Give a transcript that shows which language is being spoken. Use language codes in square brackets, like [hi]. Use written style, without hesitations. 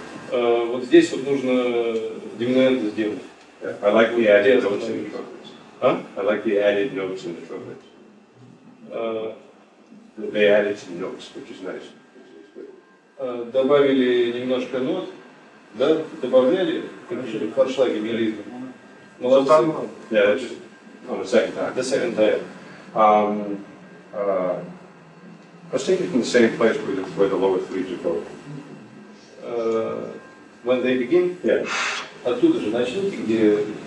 [ru] Вот здесь вот нужно диминуэнто сделать. [en] Yeah. I like the added notes in the trumpets. I like the added notes in the trumpets. They added some notes, which is nice. [ru] Добавили немножко нот, да? Добавляли какие-то фаршлаги, мелизмы. Молодцы. [en] So, yeah, that's just on the second time. The second time. Let's take it from the same place where the lower threes are going. When they begin, yeah. [ru] Оттуда же начните, где